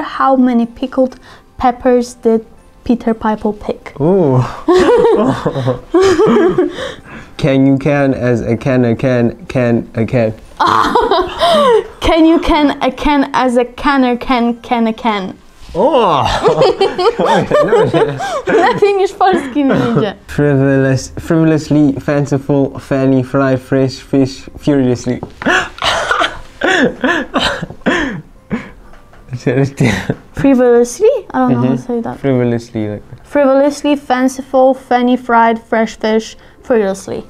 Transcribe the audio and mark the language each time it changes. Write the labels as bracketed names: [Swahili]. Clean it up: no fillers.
[English] How many pickled peppers did Peter Piper pick? Ooh. Can you can as a canner can. Can you can a can as a canner can a can. [Polish] Lepiej niż polski nie idzie. [English] Frivolously, fanciful, fanny, fly, fresh, fish, furiously. Frivolously? I don't know how to say that. Frivolously, like. Frivolously, fanciful, fanny, fried, fresh fish, furiously.